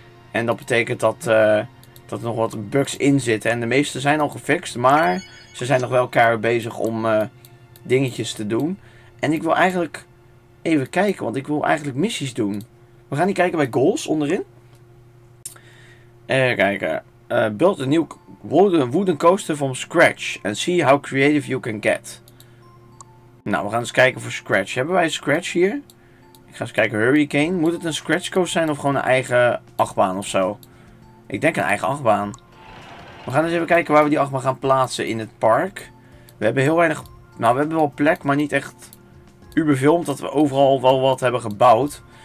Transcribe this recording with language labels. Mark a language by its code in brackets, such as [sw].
[nl] En dat betekent dat er nog wat bugs in zitten. En de meeste zijn al gefixt. Maar ze zijn nog wel keihard bezig om dingetjes te doen. En ik wil eigenlijk even kijken. Want ik wil eigenlijk missies doen. We gaan niet kijken bij goals onderin. Even kijken. [en] Build a new wooden coaster from scratch. And see how creative you can get. [nl] Nou, we gaan eens kijken voor scratch. Hebben wij scratch hier? Ik ga eens kijken. Hurricane. Moet het een scratch coaster zijn of gewoon een eigen achtbaan of zo? Ik denk een eigen achtbaan. We gaan eens even kijken waar we die achtbaan gaan plaatsen in het park. We hebben heel weinig... Nou, we hebben wel plek, maar niet echt uberfilmd dat we overal wel wat hebben gebouwd.